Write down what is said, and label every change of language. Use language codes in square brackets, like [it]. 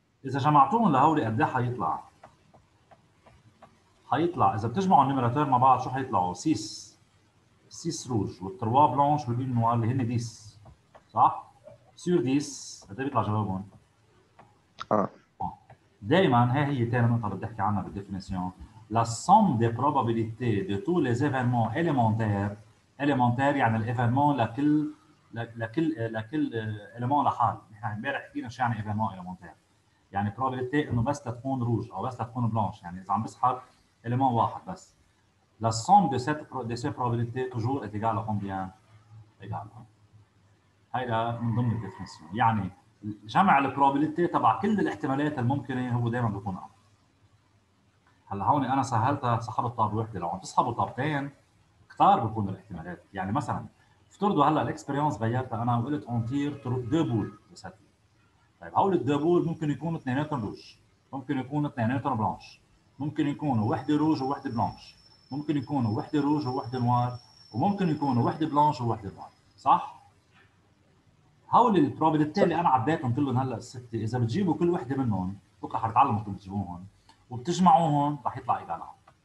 [ar] اذا جمعتهم لهول قد ايه حيطلع؟ حيطلع اذا بتجمعوا النمراتور مع بعض شو حيطلعوا؟ سيس، سيس روج والتروا بلانش والبين نوار اللي هن ديس، صح؟ سور ديس قد ايه بيطلع جوابهم؟ دائما هي هي ثاني نقطه بدي احكي عنها بالديفينيسيون. [fr] La somme des probabilités de tous les événements élémentaires. [ar] Élémentaires, يعني الإيفنمون لكل لكل لكل إيفنمون لحال. نحن امبارح حكينا شو يعني إيفنمون إيلمونتير. يعني probability إنه بس تكون روج أو بس تكون بلانش، يعني إذا عم بسحب إيلمون واحد بس. [fr] La somme de ces probabilités toujours est égale à combien؟ [ar] إيجال. هيدا من ضمن الديفينيسيون. يعني جمع البروبابيليتي تبع كل الاحتمالات الممكنة هو دائما بيكون أقل. هلا هون انا سهلتها سحبت طابه وحده، لو عم تسحبوا طابتين كثار بكون الاحتمالات. يعني مثلا افترضوا هلا الاكسبيرينس غيرتها انا وقلت اونتير دوبول بسات، طيب هول الدوبول ممكن يكون اثنيناتهم روج، ممكن يكون اثنيناتهم بلانش، ممكن يكون وحده روج وحده بلانش، ممكن يكون وحده روج وحده نوار، وممكن يكون وحده بلانش وحده نوار، صح؟ هول البروبابيلتي اللي انا عديتهم كلهم هلا السته، اذا بتجيبوا كل وحده منهم بكره حتتعلموا كيف تجيبوهم وبتجمعوهم رح يطلع ايجالها.